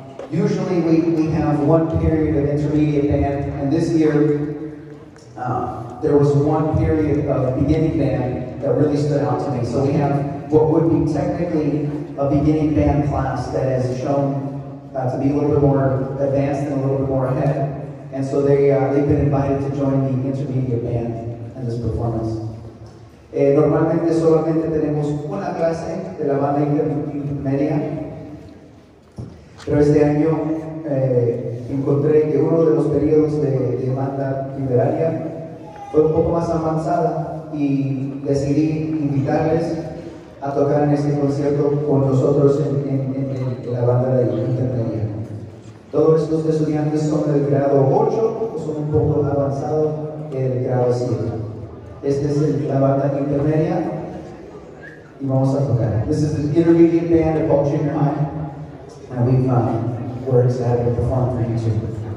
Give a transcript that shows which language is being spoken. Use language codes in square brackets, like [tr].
[en] Usually we have one period of intermediate band, and this year there was one period of beginning band that really stood out to me. So we have what would be technically a beginning band class that has shown to be a little bit more advanced and a little bit more ahead. And so they've been invited to join the intermediate band in this performance. [es] Normalmente solamente tenemos una clase de la banda intermedia. Pero este año encontré que uno de los periodos de banda liberaria fue un poco más avanzada y decidí invitarles a tocar en este concierto con nosotros en la banda de intermedia. Todos estos estudiantes son del grado 8, son un poco avanzados del grado 7. Esta es la banda intermedia y vamos a tocar. [en] This is the intermediate band of Paul Junior High. And we find words that are performed for you too.